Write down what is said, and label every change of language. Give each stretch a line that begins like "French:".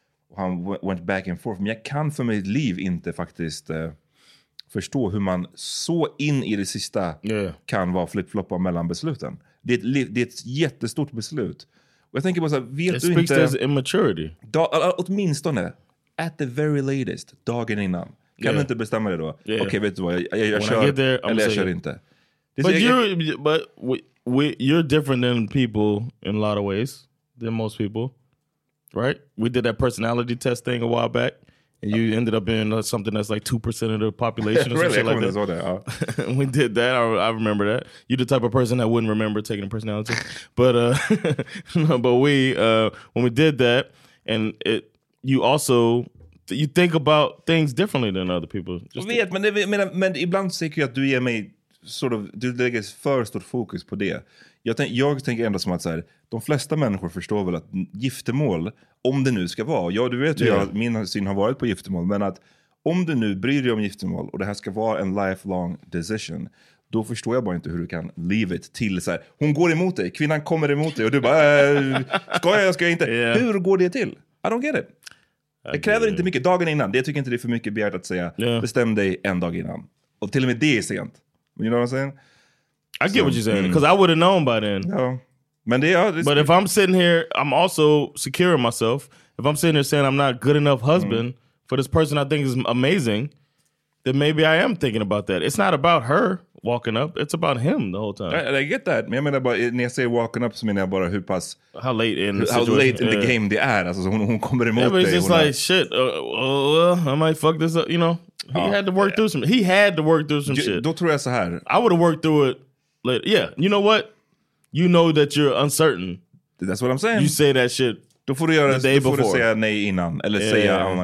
Swedish: Och han
English: went back and forth.
Swedish: Men jag kan för mitt liv inte faktiskt förstå hur man så in i det sista kan vara flip-floppa mellan besluten. Det är ett jättestort beslut. Jag tänker bara så här, vet du inte...
English: It speaks as immaturity.
Swedish: Åtminstone,
English: at the very latest,
Swedish: dagen innan. Kan du inte bestämma det då?
English: Yeah.
Swedish: Okej, vet du vad? Jag kör inte.
English: But you're different than people in a lot of ways. Than most people. Right? We did that personality test thing a while back. And you ended up being something that's like 2% of the population. Really? Like that. Order, We did that. I remember that. You're the type of person that wouldn't remember taking a personality. But when we did that, and you think about things differently than other people.
Swedish: Men ibland tycker jag att du ger mig
English: sort of,
Swedish: du lägger för stort fokus på det. Jag tänker ändå som att så här, de flesta människor förstår väl att giftermål, om det nu ska vara, ja, du vet ju att min syn har varit på giftermål, men att om du nu bryr dig om giftermål och det här ska vara en
English: lifelong decision,
Swedish: då förstår jag bara inte hur du kan
English: leave it
Swedish: till så här, hon går emot dig, kvinnan kommer emot dig och du bara, ska jag inte?
English: Yeah.
Swedish: Hur går det till?
English: I don't get it.
Swedish: Det kräver inte mycket dagen innan, det tycker inte det är för mycket begärt att säga, bestäm dig en dag innan. Och till och med det är sent.
English: You know what I'm saying? I get what you're saying, because I would have known by then. No.
Swedish: Men det är,
English: but if I'm sitting here, I'm also securing myself. If I'm sitting here saying I'm not good enough husband for this person I think is amazing, then maybe I am thinking about that. It's not about her walking up. It's about him the whole time. I get that.
Swedish: Men jag menar bara, när jag säger
English: walking up
Swedish: så menar jag bara hur pass...
English: How late in the game
Swedish: det är. Alltså, hon kommer emot dig.
English: Yeah, but it's just like, shit, I might fuck this up, you know? He had to work through some shit.
Swedish: Då tror jag så här.
English: I would have worked through it. Later. Yeah, you know what? You know that you're uncertain. That's what I'm saying. You say that shit the day before. Say nay
Swedish: innan, eller
English: yeah,
Swedish: säga
English: I'm